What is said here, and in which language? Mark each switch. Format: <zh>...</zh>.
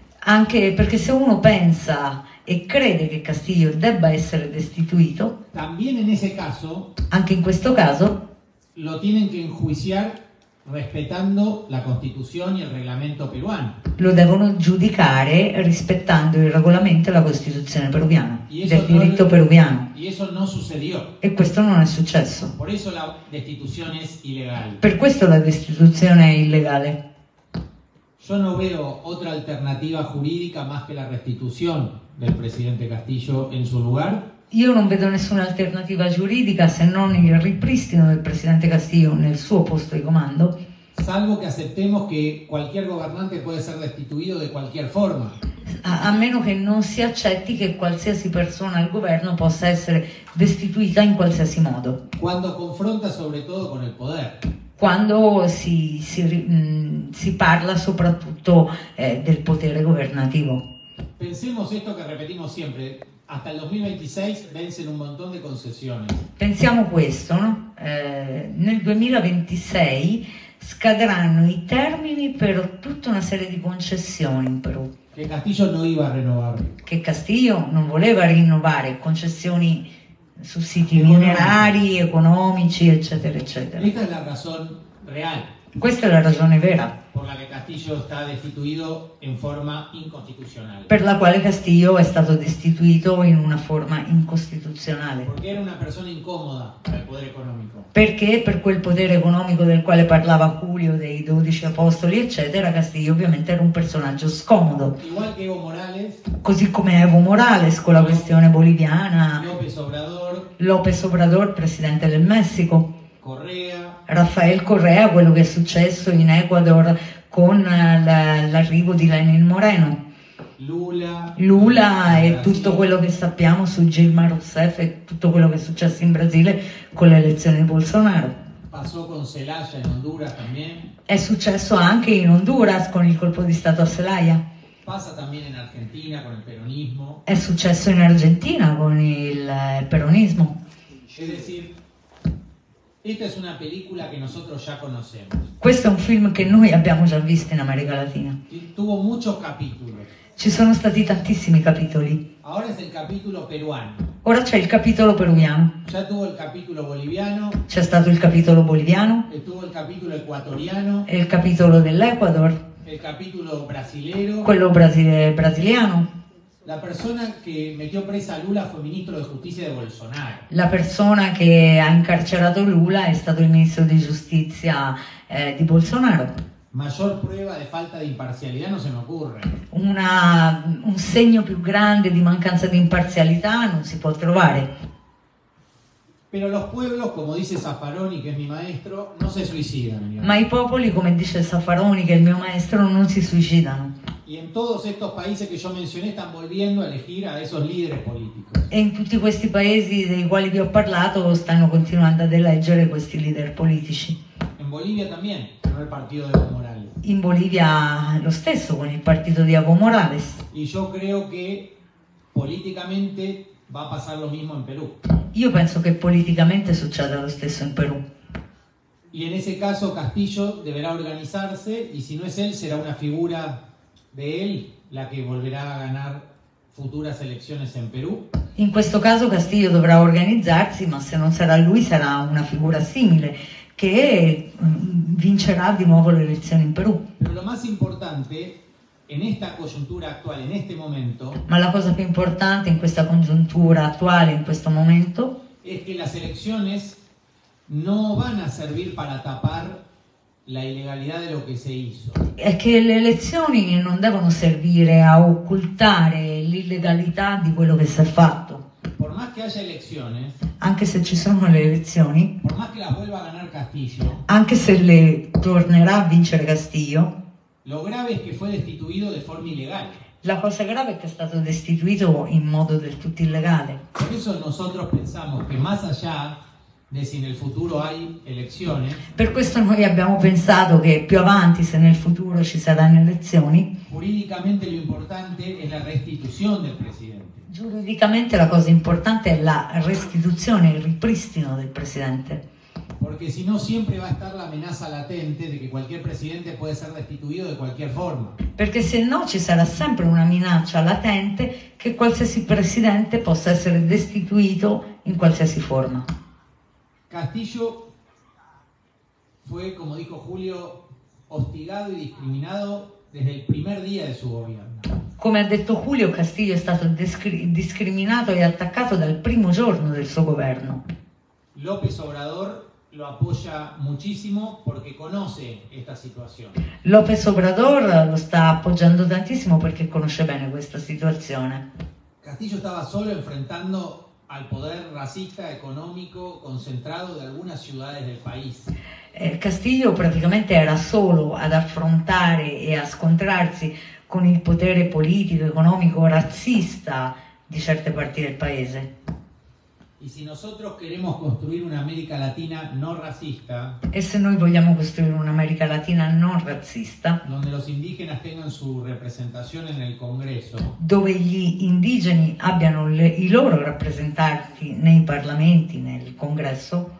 <it>Anche perché se uno pensa e crede che Castillo debba essere destituito.</it> <es>También en ese caso.</es> <it>Anche in questo caso.</it> <es>Lo tienen que enjuiciar respetando la Constitución y el reglamento peruano.</es> <it>Lo devono giudicare rispettando il regolamento e la Costituzione peruviana, del diritto peruviano.</it> <es>Y eso no sucedió.</es> <it>E questo non è successo.</it> <es>Por eso la destitución es ilegal.</es> <it>Per questo la destituzione è illegale.</it> <es>Yo no veo otra alternativa jurídica más que la restitución del presidente Castillo en su lugar.</es> <it>Io non vedo nessuna alternativa giuridica se non il ripristino del presidente Castillo nel suo posto di comando. Salvo che accettiamo che qualche governante può essere destituito di qualche forma. A meno che non si accetti che qualsiasi persona al governo possa essere destituita in qualsiasi modo. Quando confronta soprattutto con il potere. Quando si parla soprattutto del potere governativo. Pensiamo questo che ripetiamo sempre.</it> <es>Hasta el 2026 vencen un montón de concesiones.</es> <it>Pensiamo questo, no? Nel 2026 scadranno i termini per tutta una serie di concessioni in Perù. Che Castillo non iba a rinnovare. Che Castillo non voleva rinnovare concessioni su siti minerari, economici, eccetera, eccetera. Questa è la ragione reale. Questa è la ragione vera.</it> <es>Por la que Castillo está destituido en forma inconstitucional.</es> <it>Per la quale Castillo è stato destituito in una forma incostituzionale.</it> <es>Porque era una persona incómoda para el poder económico.</es> <it>Perché per quel potere economico del quale parlava Julio, dei 12 apostoli, eccetera, Castillo ovviamente era un personaggio scomodo.</it> <es>Igual que Evo Morales.</es> <it>Così come Evo Morales con la questione boliviana.</it> <es>López Obrador,</es> <it>presidente del Messico.</it> <es>Correa.</es> <it>Rafael Correa, quello che è successo in Ecuador con l'arrivo di Lenin Moreno.</it> <es>Lula</es> <it>e tutto quello che sappiamo su Dilma Rousseff e tutto quello che è successo in Brasile con l'elezione di Bolsonaro. Passò con Zelaya in Honduras è successo anche in Honduras con il colpo di Stato a Zelaya.</it> <es>Passa también en Argentina con el peronismo.</es> <it>È successo in Argentina con il peronismo.</it> <es>Esta es una película que nosotros ya conocemos.</es> <it>Questo è un film che noi abbiamo già visto in America Latina.</it> <es>Tuvo muchos capítulos.</es> <it>Ci sono stati tantissimi capitoli.</it> <es>Ahora es el capítulo peruano.</es> <it>Ora c'è il capitolo peruviano.</it> <es>Ya tuvo el capítulo boliviano.</es> <it>C'è stato il capitolo boliviano.</it> <es>E tuvo el capítulo ecuatoriano.</es> <it>E il capitolo dell'Ecuador.</it> <es>El capítulo brasilero.</es> <it>Quello brasiliano.</it> <es>La persona che metió presa a Lula fue ministro de Justicia de Bolsonaro.</es> <it>La persona che ha incarcerato Lula è stato il ministro di giustizia di Bolsonaro.</it> <es>Mayor prueba de falta de imparcialidad no se me ocurre.</es> <it>Un segno più grande di mancanza di imparzialità non si può trovare.</it> <es>Pero los pueblos, como dice Zaffaroni, que es mi maestro, no se suicidan.</es> <it>Ma i popoli, come dice Zaffaroni, che è il mio maestro, non si suicidano.</it> <es>Y en todos estos países que yo mencioné están volviendo a elegir a esos líderes políticos.</es> <it>E in tutti questi paesi dei quali vi ho parlato stanno continuando ad eleggere questi leader politici.</it> <es>En Bolivia también, con el partido de Evo Morales.</es> <it>In Bolivia lo stesso con il partito di Evo Morales.</it> <es>Y yo creo que políticamente va a pasar lo mismo en Perú.</es> <it>Io penso che politicamente succeda lo stesso in Perù.</it> <es>Y en ese caso Castillo deberá organizarse y si no es él será una figura de él la que volverá a ganar futuras elecciones en Perú.</es> <it>In questo caso Castillo dovrà organizzarsi, ma se non sarà lui sarà una figura simile che vincerà di nuovo le elezioni in Perù.</it> <es>Pero lo más importante en esta coyuntura actual, en este momento.</es> <it>Ma la cosa più importante in questa congiuntura attuale, in questo momento,</it> <es>es que las elecciones no van a servir para tapar</es> <it>la ilegalità di lo che si</it> <es>hizo.</es> <it>È che le elezioni non devono servire a occultare l'illegalità di quello che si è fatto.</it> <es>Por más que haya elecciones,</es> <it>anche se ci sono le elezioni,</it> <es>por más que la vuelva a ganar Castillo,</es> <it>anche se le tornerà a vincere Castillo,</it> <es>lo grave es que fue destituido de forma ilegal.</es> <it>La cosa grave è che è stato destituito in modo del tutto illegale.</it> <es>Por eso nosotros pensamos que más allá</es> <it>si nel futuro hai elezioni. Per questo noi abbiamo pensato che più avanti, se nel futuro ci saranno elezioni, giuridicamente</it> <es>lo importante</es> <it>è la restituzione del presidente. Giuridicamente la cosa importante è la restituzione, il ripristino del presidente. Perché se no sempre va a stare l'amenaza latente di che qualche presidente può essere restituito di qualche forma. Perché se no ci sarà sempre una minaccia latente che qualsiasi presidente possa essere destituito in qualsiasi forma.</it> <es>Castillo fue, como dijo Julio, hostigado y discriminado desde el primer día de su gobierno.</es> <it>Come ha detto Julio, Castillo è stato discriminato e attaccato dal primo giorno del suo governo.</it> <es>López Obrador lo apoya muchísimo porque conoce esta situación.</es> <it>López Obrador lo sta appoggiando tantissimo perché conosce bene questa situazione.</it> <es>Castillo estaba solo enfrentando al poder racista económico concentrado de algunas ciudades del país.</es> <it>Castillo praticamente era solo ad affrontare e a scontrarsi con il potere politico, economico, razzista di certe parti del paese.</it> <es>Y si nosotros queremos construir una América Latina no racista,</es> <it>e se noi vogliamo costruire un'America Latina non razzista,</it> <es>donde los indígenas tengan su representación en el Congreso,</es> <it>dove gli indigeni abbiano i loro rappresentanti nei parlamenti, nel Congresso,</it>